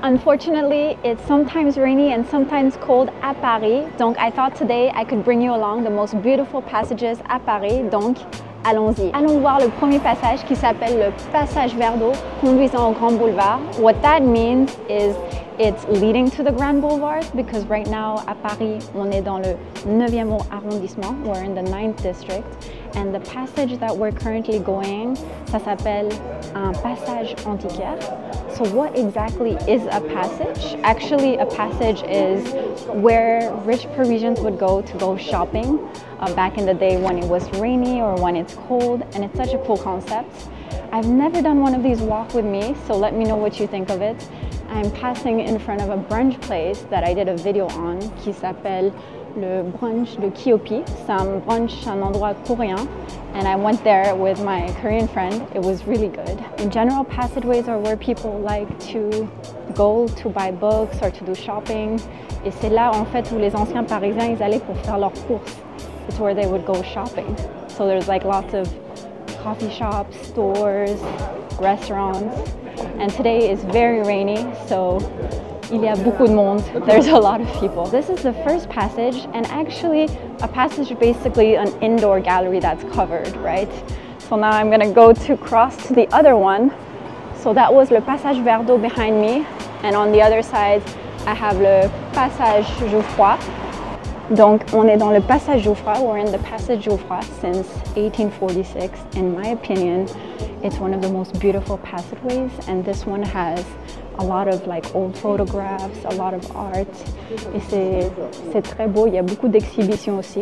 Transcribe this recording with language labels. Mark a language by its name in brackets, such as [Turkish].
[English] Unfortunately, it's sometimes rainy and sometimes cold at Paris. Donc, I thought today I could bring you along the most beautiful passages at Paris. [French] Donc, allons-y. Allons voir le premier passage qui s'appelle le passage Verdeau conduisant au Grand Boulevard. [English] What that means is it's leading to the Grand Boulevard because right now at Paris, [French] on est dans le 9e arrondissement. [English] We're in the 9th district. And the passage that we're currently going, [French] ça s'appelle un passage antiquaire. [English] So what exactly is a passage? Actually, a passage is where rich Parisians would go to go shopping back in the day when it was rainy or when it's cold, and it's such a cool concept. I've never done one of these walk with me, so let me know what you think of it. I'm passing in front of a brunch place that I did a video on, [French] qui s'appelle le brunch de Kiopi. C'est un brunch, un endroit coréen. [English] And I went there with my Korean friend. It was really good. In general, passageways are where people like to go to buy books or to do shopping. [French] Et c'est là, en fait, où les anciens Parisiens, ils allaient pour faire leurs courses. [English] It's where they would go shopping. So there's like lots of coffee shops, stores, restaurants. And today is very rainy, so [French] il y a beaucoup de monde. [English] There's a lot of people. This is the first passage, and actually, a passage is basically an indoor gallery that's covered, right? So now I'm gonna go to cross to the other one. So that was le passage Verdeau behind me, and on the other side, I have le passage Jouffroy. [French] Donc, on est dans le passage Jouffroy. [English] We're in the passage Jouffroy since 1846. In my opinion, it's one of the most beautiful passageways, and this one has a lot of like old photographs, a lot of art. [French] Et c'est très beau. Il y a beaucoup d'exhibitions aussi.